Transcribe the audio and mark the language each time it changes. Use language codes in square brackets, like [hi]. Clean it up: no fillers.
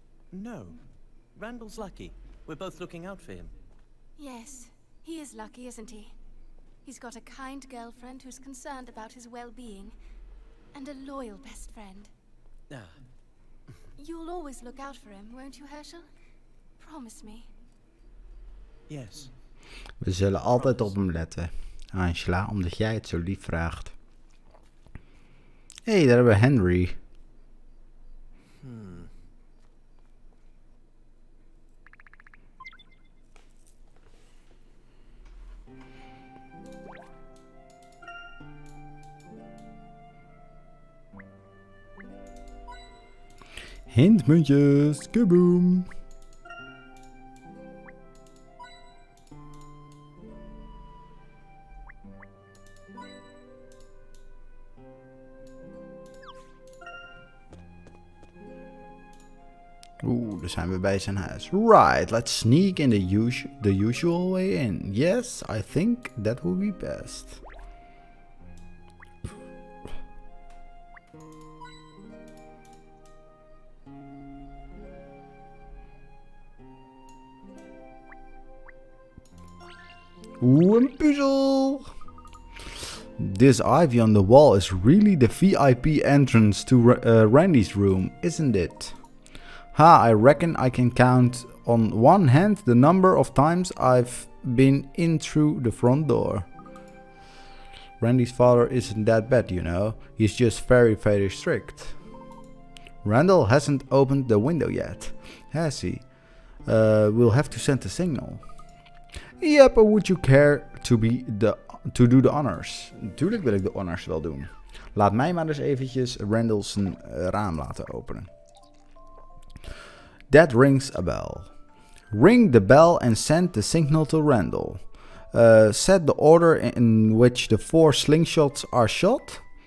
[en] No. Randall's lucky. We're both looking out for him. Yes, he is lucky, isn't he? He's got a kind girlfriend who's concerned about his well-being, and a loyal best friend. Ah. You'll always look out for him, won't you, Herschel? Promise me. Yes. [nl] We zullen altijd op hem letten, Angela, omdat jij het zo lief vraagt. Hey, daar hebben we Henry. Hintmuntjes, kaboom! Oeh, daar zijn we bij zijn huis. [en] Right, let's sneak in the usual way in. Yes, I think that will be best. [nl] Oeh, een puzzel! [en] This ivy on the wall is really the VIP entrance to Randy's room, isn't it? Ha, I reckon I can count on one hand the number of times I've been in through the front door. Randy's father isn't that bad, you know. He's just very, very strict. Randall hasn't opened the window yet, has he? We'll have to send a signal. Yep, but would you care to be to do the honors? [nl] Natuurlijk wil ik de honors wel doen. Laat mij maar eens eventjes Randall's raam laten openen. [en] That rings a bell. Ring the bell and send the signal to Randall. Set the order in which the four slingshots are shot.